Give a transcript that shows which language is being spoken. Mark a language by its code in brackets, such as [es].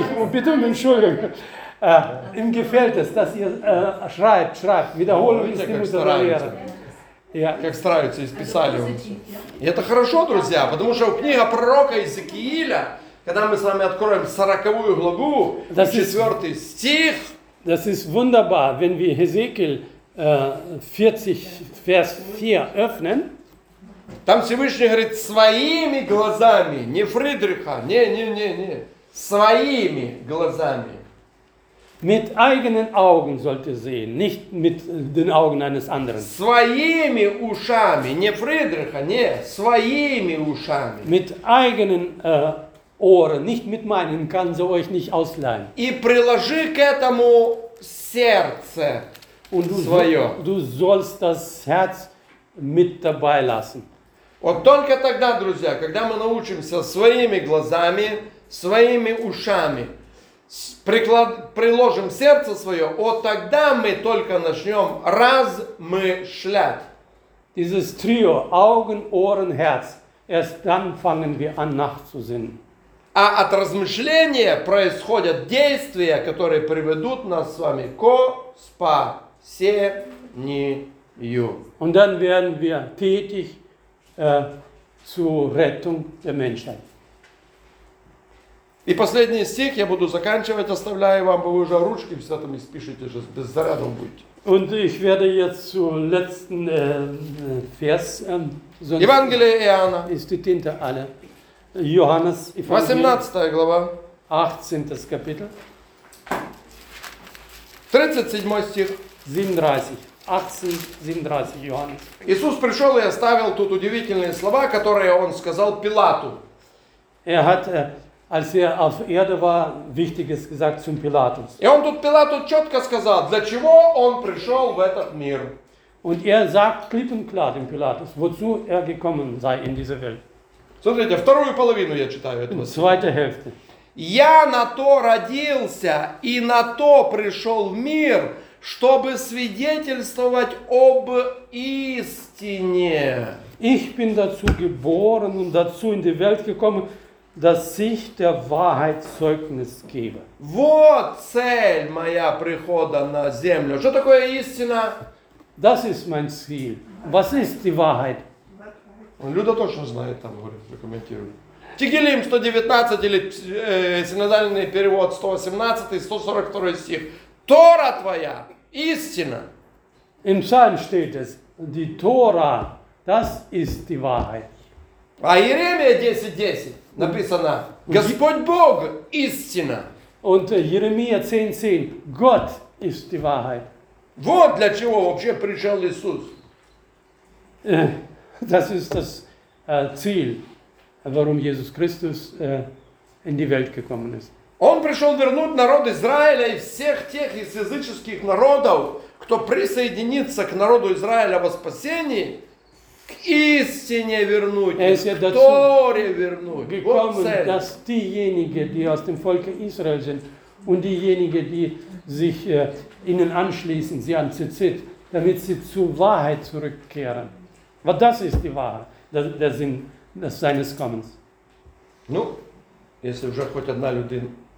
[de] Bitte um Entschuldigung. Ihm gefällt es, dass ihr schreibt. Wiederholung ist die Mutter der Lehre. Yeah. [ru] Как стараются и списали. И это хорошо, друзья, потому что книга пророка Иезекииля, когда мы с вами откроем 40-ю главу, 4-й стих. [de] Das ist wunderbar, wenn wir Hesekiel 40, Vers 4 öffnen. [ru] Там Всевышний говорит своими глазами, не Фридриха, не. Своими глазами. [de] Mit eigenen Augen sollte sehen, nicht mit den Augen eines anderen. [ru] Своими ушами, не Фридриха, не, своими ушами. [de] Mit eigenen Ohren, nicht mit meinen, kann sie euch nicht ausleihen. [ru] И приложи к этому сердце свое. [de] Du sollst das Herz mit dabei lassen. [ru] Вот только тогда, друзья, когда мы научимся своими глазами, своими ушами, приложим сердце свое, вот тогда мы только начнем размышлять. [de] Dieses Trio, Augen, Ohren, Herz, erst dann fangen wir an nachzusinnen. [ru] А от размышления происходят действия, которые приведут нас с вами ко спасению. [de] Und dann werden wir tätig zur Rettung der Menschheit. [ru] И последний стих я буду заканчивать, оставляю вам, вы уже ручки все там испишите, сейчас без зарядом будете. [de] Und ich werde jetzt zum letzten Vers [ru] Евангелие Иоанна. [de] Ist die Tinte alle. Johannes Evangelium. [ru] 18 глава. [de] 18 Kapitel. [ru] 37 стих. [de] 18:37 Johannes. [ru] Иисус пришел и оставил тут удивительные слова, которые он сказал Пилату. [de] Er hat als er auf Erde war, Wichtiges gesagt zum Pilatus. [ru] И он тут Пилату четко сказал, для чего он пришел в этот мир. [de] Und er sagt klipp und klar dem Pilatus, wozu er gekommen sei in diese Welt. [ru] Смотрите, вторую половину я читаю. [de] Zweite Hälfte. [ru] Я на то родился и на то пришел в мир, чтобы свидетельствовать об истине. [de] Ich bin dazu geboren und dazu in die Welt gekommen, dass ich der Wahrheit Zeugnis gebe. [ru] Вот цель моя прихода на землю. Что такое истина? [de] Das ist mein Ziel. Was ist die Wahrheit? [ru] Люда тоже знает, там говорит, прокомментирует. Тегелим 119 или синодальный перевод 118 142 стих. Тора твоя истина. [de] Im Psalm steht es, die Tora, das ist die Wahrheit. [ru] А Иеремия 10:10 написано: Господь Бог истина. [de] Und Jeremia 10:10, Gott ist die Wahrheit. [ru] Вот для чего вообще пришел Иисус. [de] Das ist das Ziel, warum Jesus Christus in die Welt gekommen ist. [ru] Он пришел вернуть народ Израиля и всех тех из языческих народов, кто присоединится к народу Израиля во спасении, к истине вернуть, к Торе вернуть. [de] Gekommen, вот dass diejenigen, die aus dem Volk Israel sind, und diejenigen, die sich ihnen anschließen, sie an Tzitzit, damit sie zur Wahrheit zurückkehren. Aber das ist die Wahrheit, der Sinn des seines Kommens. [ru] Ну, если уже хоть одна людина...